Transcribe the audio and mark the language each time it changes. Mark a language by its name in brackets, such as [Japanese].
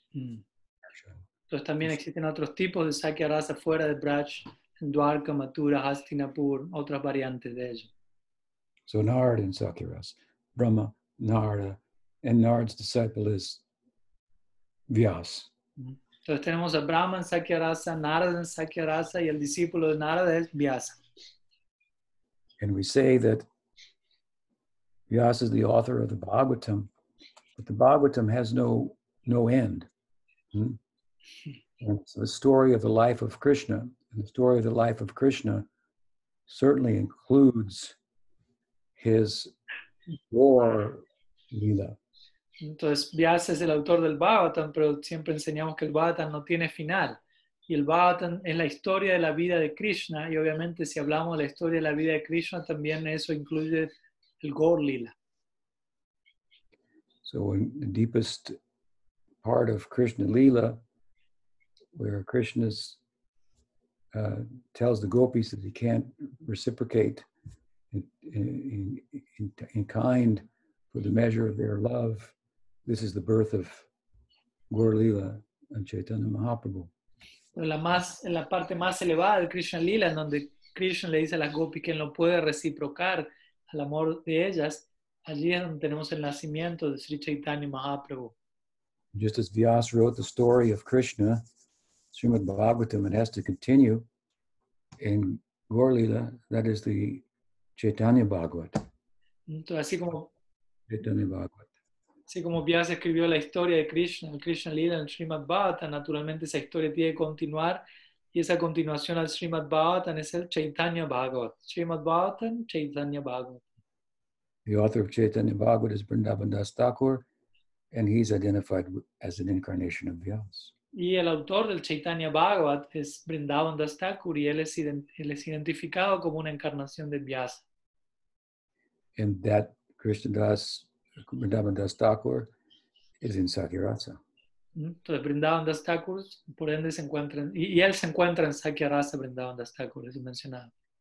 [Spanish] Entonces también existen otros tipos de Sakirasa fuera de Braj, en Dwarka, Mathura, Hastinapur, otras variantes de ello. [English] So Narada and Sakirasa. Brahma, Narada, and Narada's disciple is Vyas. [Spanish] Entonces tenemos a Brahma en Sakirasa, Narada en Sakirasa, y el discípulo de Narada es Vyasa. [English] And we say that Vyasa is the author of the Bhagavatam, but the Bhagavatam has no end. And so the story of the life of Krishna, and the story of the life of Krishna certainly includes his war lila. [Spanish] Entonces, Vyasa es el autor del Bhagavatam, pero siempre enseñamos que el Bhagavatam no tiene final. Y el Bhagavatam es la historia de la vida de Krishna, y obviamente si hablamos de la historia de la vida de Krishna, también eso incluye el Gaur Lila. [English] So in the deepest part of Krishna Lila, where Krishna tells the gopis that he can't reciprocate in kind for the measure of their love, this is the birth of Gaur Lila and Chaitanya Mahaprabhu. [Spanish] En la parte más elevada de Krishna Lila, en donde Krishna le dice a las gopis que él no puede reciprocar al amor de ellas, allí es donde tenemos el nacimiento de Sri Chaitanya Mahaprabhu. [English] Just as Vyasa wrote the story of Krishna, Srimad Bhagavatam, it has to continue in Gaur Lila, that is the Chaitanya Bhagavat. [Spanish] Entonces, así como Chaitanya Bhagavat. Así como Vyasa escribió la historia de Krishna, el Krishna Lila en el Srimad Bhagavatam, naturalmente esa historia tiene que continuar y esa continuación al Srimad Bhagavatam es el Chaitanya Bhagavat. Srimad Bhagavatam, Chaitanya Bhagavat. [English] The author of Chaitanya Bhagavat is Vrindavan Das Thakur and he's identified as an incarnation of Vyasa. [Spanish] Y el autor del Chaitanya Bhagavat es Vrindavan Das Thakur y él es identificado como una encarnación de Vyasa. [English] And that Krishna Das Vrindavan Das Thakur is in Sakirasa. [Spanish] Entonces, Vrindavan Das Thakur, por ende, se encuentra en, y él se encuentra en Sakirasa, Vrindavan Das Thakur, es mencionado.